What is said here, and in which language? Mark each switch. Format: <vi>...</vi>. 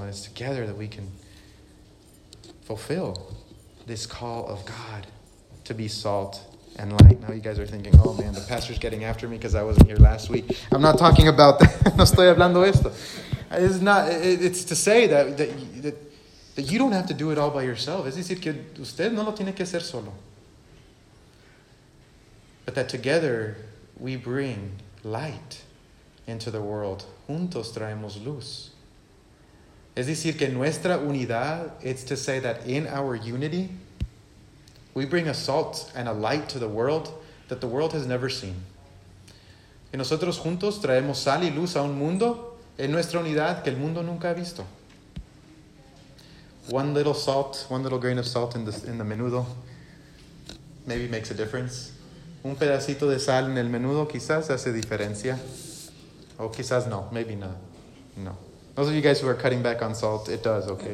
<en>And it's together that we can fulfill this call of God to be salt and light. Now you guys are thinking, oh man, the pastor's getting after me because I wasn't here last week. I'm not talking about that.</en> <es>No estoy hablando esto.</es> <en>It's not, it's to say that you don't have to do it all by yourself.</en> <es>Es decir, que usted no lo tiene que hacer solo.</es> <en>But that together we bring light into the world.</en> <es>Juntos traemos luz. Es decir, que nuestra unidad,</es> <en>it's to say that in our unity, we bring a salt and a light to the world that the world has never seen.</en> <es>Y nosotros juntos traemos sal y luz a un mundo en nuestra unidad que el mundo nunca ha visto.</es> <en>One little salt, one little grain of salt in the menudo maybe makes a difference.</en> <es>Un pedacito de sal en el menudo quizás hace diferencia. O quizás no,</es> <en>maybe not.</en> <es>No.</es> <en>Those of you guys who are cutting back on salt, it does, okay?</en>